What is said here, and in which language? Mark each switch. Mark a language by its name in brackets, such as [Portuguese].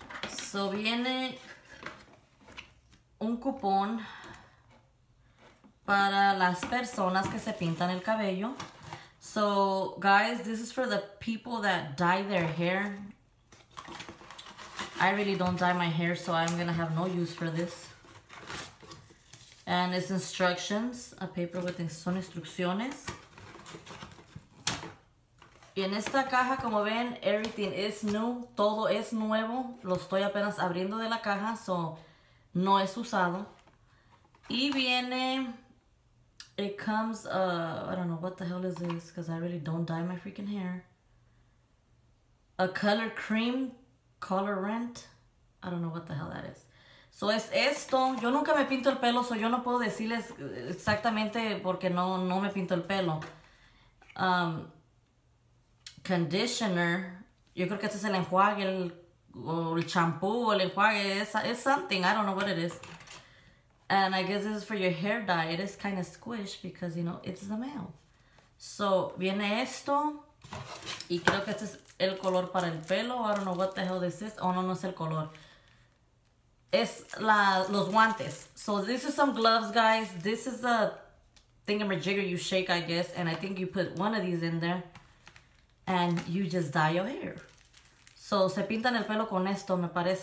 [Spanish] So viene un cupón para las personas que se pintan el cabello. [English] So guys, this is for the people that dye their hair. I really don't dye my hair, so I'm gonna have no use for this. And it's instructions, a paper with [Spanish] son instrucciones. Y en esta caja, como ven, [English] everything is new. [Spanish] Todo es nuevo. Lo estoy apenas abriendo de la caja, so no es usado. Y viene [English] It comes, I don't know what the hell is this, because I really don't dye my freaking hair. A color cream, color rent. I don't know what the hell that is. [Spanish] So es esto. Yo nunca me pinto el pelo, so yo no puedo decirles exactamente porque no me pinto el pelo. Conditioner. Yo creo que este es el enjuague, el champú, el enjuague. [English] It's something. I don't know what it is. And I guess this is for your hair dye. It is kind of squish because, you know, it's the male. [Spanish] So, viene esto. Y creo que este es el color para el pelo. [English] I don't know what the hell this is. Oh, [Spanish] no es el color. Es los guantes. [English] So, this is some gloves, guys. This is a thingamajigger you shake, I guess. And I think you put one of these in there. And you just dye your hair. [Spanish] So, se pintan el pelo con esto, me parece.